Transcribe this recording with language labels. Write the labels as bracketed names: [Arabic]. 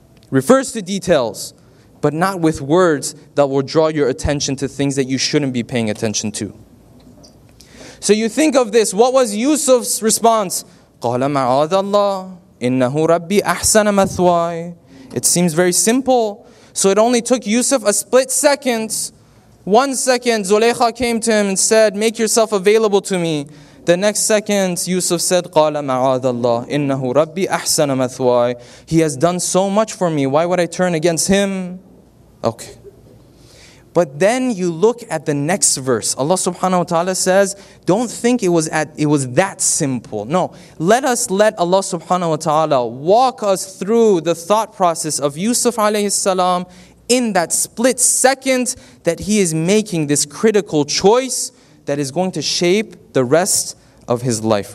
[English] Refers to details, but not with words that will draw your attention to things that you shouldn't be paying attention to. So you think of this. What was Yusuf's response? [Arabic] قَالَ مَعَاذَ اللَّهِ إِنَّهُ رَبِّي أَحْسَنَ مَثْوَايِ. [English] It seems very simple. So it only took Yusuf a split second. One second, Zulaykha came to him and said, make yourself available to me. The next second, Yusuf said, [Arabic] قَالَ مَعَاذَ اللَّهِ إِنَّهُ رَبِّي أَحْسَنَ مَثْوَايَ. [English] He has done so much for me. Why would I turn against him? Okay. But then you look at the next verse. Allah subhanahu wa ta'ala says, don't think it was that simple. No. Let us let Allah subhanahu wa ta'ala walk us through the thought process of Yusuf alayhi salam in that split second that he is making this critical choice that is going to shape the rest of his life.